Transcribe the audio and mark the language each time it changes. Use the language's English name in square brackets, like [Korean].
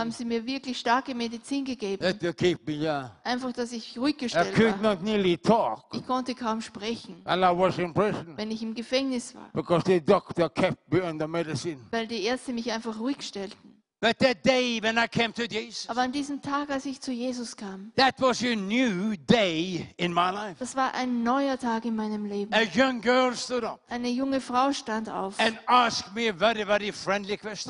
[German] Haben sie mir wirklich starke Medizin gegeben. [English] That they keep me, yeah. [German] Einfach, dass ich ruhig gestellt [English] I could [German] war. [English] Not nearly talk. [German] Ich konnte kaum sprechen. [English] And I was in prison. [German] Wenn ich im Gefängnis war. [English] Because the doctor kept me on the medicine. [German] Weil die Ärzte mich einfach ruhig stellten. [English] But that day when I came to Jesus, [German] aber an diesem Tag, als ich zu Jesus kam, [English] that was a new day in my life. [German] Das war ein neuer Tag in meinem Leben. [English] A young girl stood up. [German] Eine junge Frau stand auf. [English] And asked me a very, very friendly question.